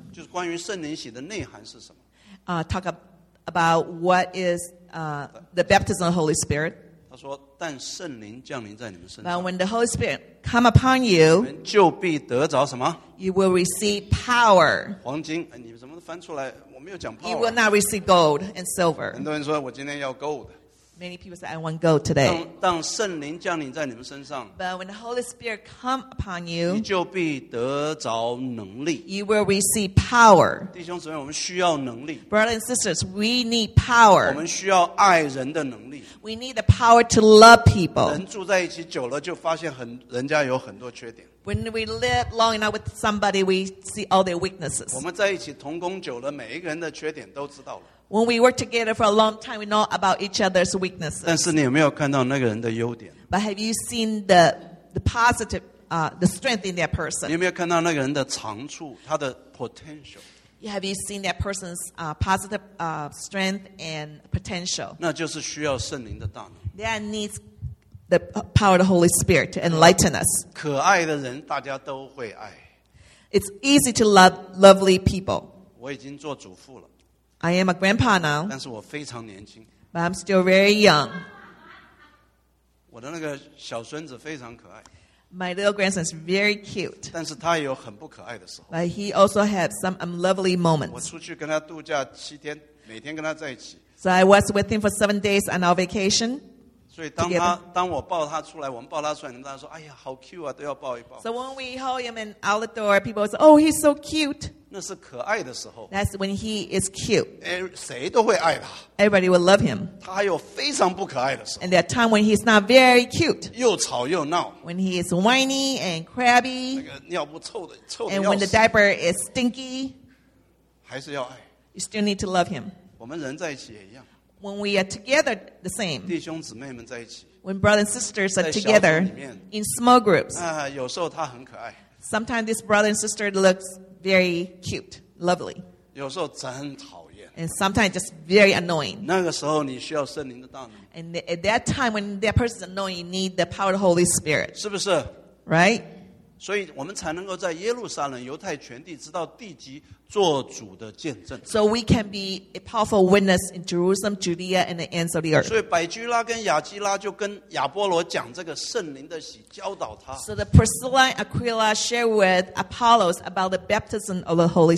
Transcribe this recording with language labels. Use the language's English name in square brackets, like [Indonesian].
[Chinese] 就是关于圣灵洗的内涵是什么 [English] talk about what is the baptism of the Holy Spirit [Chinese] 他说但圣灵降临在你们身上 [English] Now when the Holy Spirit come upon you [Chinese] 就必得着什么 [English] You will receive power [Chinese] 黄金你怎么翻出来我没有讲 power [English] You will not receive gold and silver [Chinese] 很多人说我今天要 gold [English] Many people say, I want gold today. [Chinese] 当圣灵降临在你们身上, [English] But when the Holy Spirit comes upon you, [Chinese] 你就必得着能力, [English] you will receive power. [Chinese] 弟兄姊妹, 我们需要能力, [English] Brothers and sisters, we need power. [Chinese] 我们需要爱人的能力, [English] we need the power to love people. [Chinese] 人住在一起久了就发现很, 人家有很多缺点。 [English] When we live long enough with somebody, we see all their weaknesses. [Chinese] 我们在一起同工久了, 每一个人的缺点都知道了。 [English] When we work together for a long time, we know about each other's weaknesses. [Chinese] 但是你有没有看到那个人的优点? [English] But have you seen the positive, the strength in that person? [Chinese] 你有没有看到那个人的长处, 他的 potential? [English] Have you seen that person's positive strength and potential? [Chinese] 那就是需要圣灵的大能。 [English] That needs the power of the Holy Spirit to enlighten us. [Chinese] 可爱的人大家都会爱。 [English] It's easy to love lovely people. [Chinese] 我已经做祖父了。 [English] I am a grandpa now. [Chinese] 但是我非常年轻。 [English] But I'm still very young. [Chinese] 我的那个小孙子非常可爱。 [English] My little grandson is very cute. [Chinese] 但是他有很不可爱的时候。 [English] But he also had some unlovely moments. [Chinese] 我出去跟他度假七天，每天跟他在一起。 [English] So I was with him for 7 days on our vacation. [Chinese] 所以当他当我抱他出来，我们抱他出来，大家说：“哎呀，好 cute 啊！”都要抱一抱。 [English] So when we hold him in out the door, people say, "Oh, he's so cute." [Chinese] 那是可爱的时候。 [English] That's when he is cute. [Chinese] 谁都会爱他。 [English] Everybody will love him. [Chinese] 他还有非常不可爱的时候。 [English] And there are times when he's not very cute. [Chinese] 又吵又闹。 [English] When he is whiny and crabby. [Chinese] 那个尿布臭的，臭的。 [English] And when the diaper is stinky. [Chinese] 还是要爱。 [English] You still need to love him. [Chinese] 我们人在一起也一样。 [English] When we are together, the same. [Chinese] 弟兄姊妹们在一起。 [English] When brothers and sisters are together. In small groups. [Chinese] 有时候他很可爱。 [English] Sometimes this brother and sister looks. Very cute, lovely. [Chinese] 有时候真讨厌。 [English] And sometimes just very annoying. [Chinese] 那个时候你需要圣灵的大能。 [English] And at that time when that person is annoying, you need the power of the Holy Spirit. [Chinese] 是不是 [English] ？Right. [Chinese] 所以我们才能够在耶路撒冷、犹太全地，直到地极，做主的见证。 [English] So we can be a powerful witness in Jerusalem, Judea, and the ends of the earth. [Chinese] 所以百居拉跟亚基拉就跟亚波罗讲这个圣灵的喜，教导他。 [English] So the Priscilla and Aquila share with Apollos about the baptism of the Holy Spirit.